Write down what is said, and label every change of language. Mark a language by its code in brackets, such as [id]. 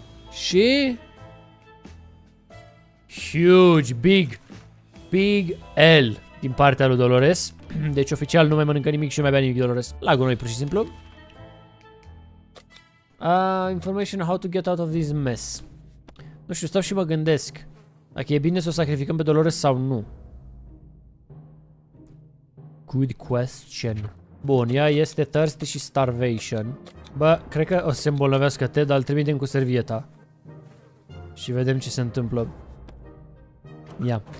[ro] Și... Huge, big, big L din partea lui Dolores. Deci oficial nu mai mănâncă nimic și nu mai bea nimic Dolores. La gunoi, pur și simplu. [en] Information how to get out of this mess. [ro] Nu știu, stau și mă gândesc. Dacă e bine să o sacrificăm pe Dolores sau nu. [en] Good question. [ro] Bun, ea este thirsty și starvation. Bă, cred că o să se îmbolnăvească te, dar îl trimitem cu servieta. Și vedem ce se întâmplă. Ia.